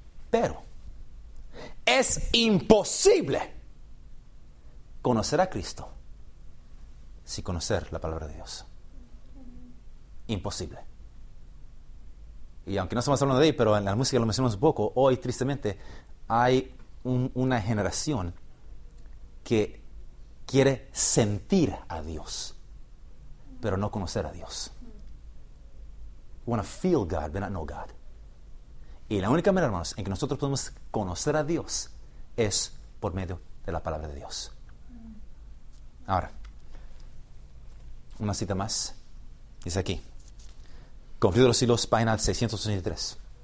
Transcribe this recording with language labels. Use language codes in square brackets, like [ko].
[es] Pero es imposible conocer a Cristo sin conocer la palabra de Dios. Imposible. Y aunque no estamos hablando de ahí, pero en la música lo mencionamos un poco, hoy tristemente hay una generación que quiere sentir a Dios, pero no conocer a Dios. [en] We want to feel God, but not know God. [es] Y la única manera, hermanos, en que nosotros podemos conocer a Dios es por medio de la palabra de Dios. Ahora, una cita más. Dice aquí, Conflicto de los Siglos, página 683.